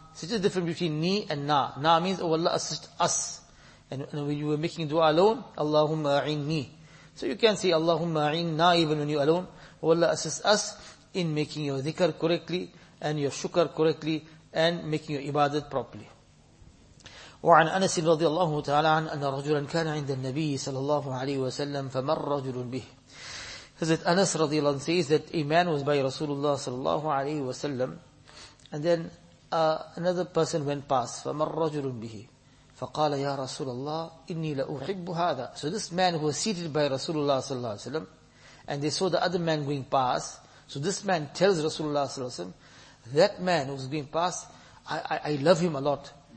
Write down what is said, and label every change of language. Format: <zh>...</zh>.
<en>Such a difference between ni and na. Na means, oh Allah, assist us. And when you were making dua alone,</en> <ar>Allahumma a'inni.</ar> <en>So you can say</en> <ar>Allahumma a'inna</ar> <en>even when you're alone. Oh Allah, assist us in making your dhikr correctly and your shukr correctly and making your ibadat properly.</en> <ar>وعن أنس رضي الله تعالى عنه أن رجلا كان عند النبي صلى الله عليه وسلم فمر رجل به.</ar> <en>Hazrat Anas radiallahu anhu says that a man was by Rasulullah sallallahu alayhi wa sallam, and then another person went past.</en> <ar>فَمَرْ رَجُلٌ بِهِ فَقَالَ يَا رَسُولَ اللَّهِ إِنِّي لَأُحِبُّ هَذَا.</ar> <en>So this man who was seated by Rasulullah sallallahu alayhi wa sallam, and they saw the other man going past, so this man tells Rasulullah sallallahu alayhi wa sallam, that man who's going past, I love him a lot.</en>